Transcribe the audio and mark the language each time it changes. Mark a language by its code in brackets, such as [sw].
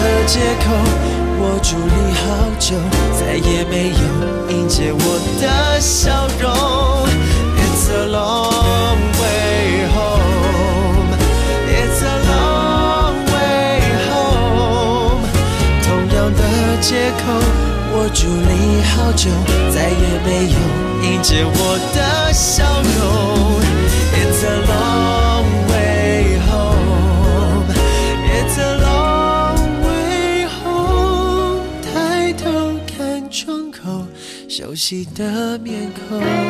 [zh] 借口我伫立好久，再也没有迎接我的笑容。 [en] It's a long way home. It's a long way home. [zh] 同样的借口我伫立好久，再也没有迎接我的笑容。笑容。 [en] It's a long way home, It's a long way home, [zh] 抬头看窗口，熟悉的面孔。